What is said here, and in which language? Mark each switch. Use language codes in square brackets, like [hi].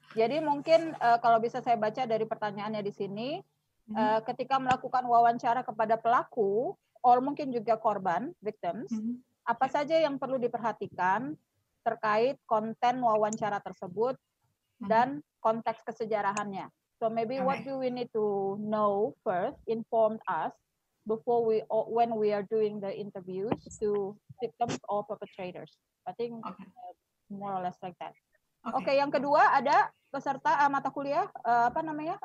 [id] Jadi mungkin kalau bisa saya baca dari pertanyaannya di sini, ketika melakukan wawancara kepada pelaku, or mungkin juga korban, victims, apa saja yang perlu diperhatikan terkait konten wawancara tersebut dan konteks kesejarahannya. [en] So maybe what do we need to know first, inform us before we when we are doing the interviews to victims or perpetrators. I think more or less like that. [id] Okay, yang kedua ada peserta mata kuliah apa namanya?